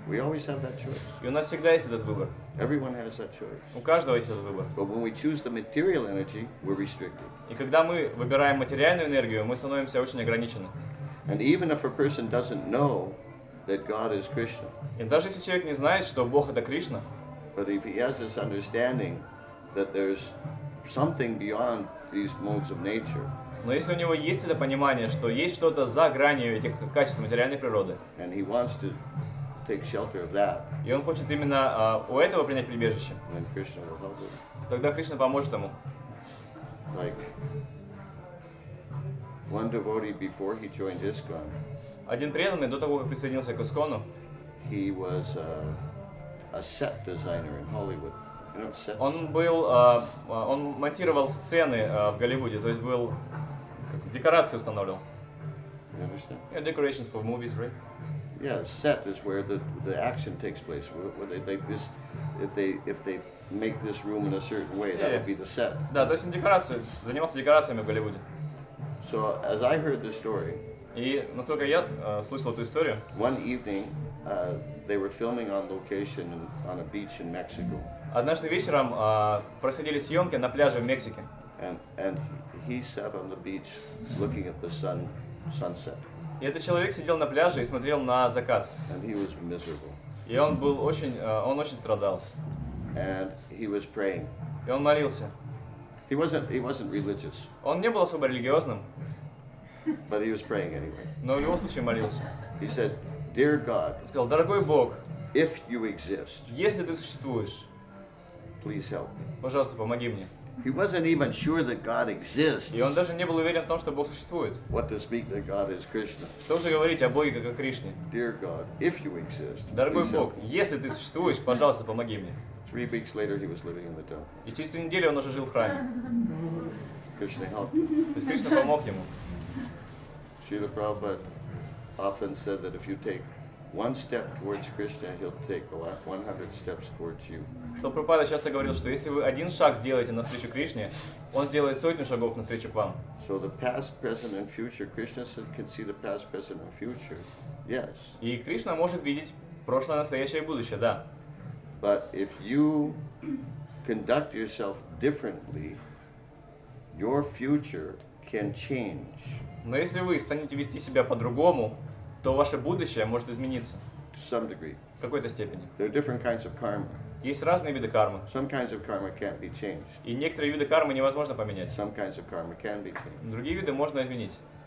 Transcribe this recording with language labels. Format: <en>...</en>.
<ru>И у нас всегда есть этот выбор. У каждого есть этот выбор.</ru> <en>Energy,</en> <ru>и когда мы выбираем материальную энергию, мы становимся очень ограничены. И даже если человек не знает, что Бог это Кришна. И даже если человек не знает, что Бог это Кришна.</ru> <en>But if he has this understanding that there's something beyond these modes of nature.</en> <ru>Но если у него есть это понимание, что есть что-то за гранью этих качеств материальной природы.</ru> <en>And he wants to take shelter of that.</en> <ru>И он хочет именно у этого принять прибежище.</ru> <en>Then Krishna will help him.</en> <ru>Тогда Кришна поможет ему.</ru> <en>Like one devotee before he joined ISKCON.</en> <ru>Один преданный до того, как присоединился к Искону,</ru> <en>he was a set designer in Hollywood.</en> <ru>Он был, он монтировал сцены в Голливуде, то есть был декорации устанавливал.</ru> <en>Yeah, decorations for movies, right? Yeah, set is where the action takes place. Where they like this, if they make this room in a certain way, that would be the set.</en> <ru>Да, то есть он декорации занимался декорациями в Голливуде.</ru> <en>So as I heard the story.</en> <ru>И насколько я слышал эту историю.</ru> <en>One evening, they were filming on location on a beach in Mexico.</en> <ru>Однажды вечером происходили съемки на пляже в Мексике.</ru> <en>And he sat on the beach looking at the sunset.</en> <ru>И этот человек сидел на пляже и смотрел на закат.</ru> <en>And he was miserable.</en> <ru>И он был очень, он очень страдал.</ru> <en>And he was praying.</en> <ru>И он молился.</ru> <en>He wasn't religious.</en> <ru>Он не был особо религиозным.</ru> <en>But he was praying anyway.</en> <ru>Но в любом случае молился.</ru> <en>He said, "Dear God."</en> <ru>Он сказал, дорогой Бог.</ru> <en>If you exist.</en> <ru>Если ты существуешь.</ru> <en>Please help me.</en> <ru>Пожалуйста, помоги мне.</ru> <en>He wasn't even sure that God exists.</en> <ru>И он даже не был уверен в том, что Бог существует.</ru> <en>What to speak that God is Krishna.</en> <ru>Что же говорить о Боге как о Кришне?</ru> <en>Dear God, if you exist.</en> <ru>Дорогой Бог, если ты существуешь, пожалуйста, помоги мне.</ru> <en>3 weeks later, he was living in the temple.</en> <ru>И через 3 недели он уже жил в храме.</ru> <en>Krishna helped.</en> <ru>То есть Кришна помог ему.</ru> <en>Srila Prabhupada often said that if you take one step towards Krishna, he'll take 100 steps towards you.</en> <ru>Шрила Прабхупада часто говорил, что если вы один шаг сделаете навстречу Кришне, он сделает сотню шагов навстречу к вам.</ru> <en>So the past, present and future, Krishna can see the past, present and future. Yes.</en> <ru>И Кришна может видеть прошлое, настоящее и будущее, да.</ru> <en>But if you conduct yourself differently, your future can change.</en> <ru>Но если вы станете вести себя по-другому, то ваше будущее может измениться.</ru> <en>To some degree.</en> <ru>В какой-то степени.</ru> <en>There are different kinds of karma.</en> <ru>Есть разные виды кармы.</ru> <en>Some kinds of karma can't be changed.</en> <ru>И некоторые виды кармы невозможно поменять.</ru> <en>Some kinds of karma can be changed.</en> <ru>Другие виды можно изменить.</ru>